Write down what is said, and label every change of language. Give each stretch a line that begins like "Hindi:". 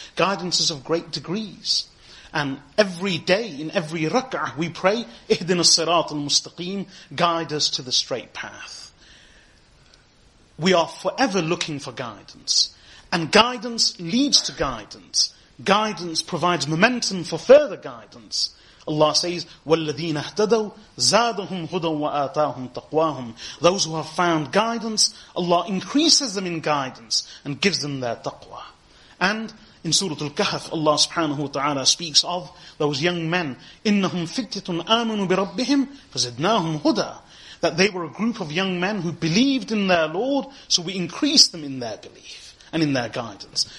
English: Guidance is of great degrees. And every day, in every rak'ah, we pray,
Arabic: اِهْدِنَ الصِّرَاطَ الْمُسْتَقِيمِ.
English: Guide us to the straight path. We are forever looking for guidance. And guidance leads to guidance. Guidance provides momentum for further guidance. Allah says,
Arabic: وَالَّذِينَ اهْتَدَوْا زَادَهُمْ هُدًى وَآتَاهُمْ تَقْوَاهُمْ.
English: Those who have found guidance, Allah increases them in guidance and gives them their taqwa. And In Surah Al-Kahf, Allah subhanahu wa ta'ala speaks of those young men,
Arabic: إِنَّهُمْ فِتْيَةٌ آمَنُوا بِرَبِّهِمْ فَزِدْنَاهُمْ هُدَى,
English: that they were a group of young men who believed in their Lord, so we increased them in their belief and in their guidance.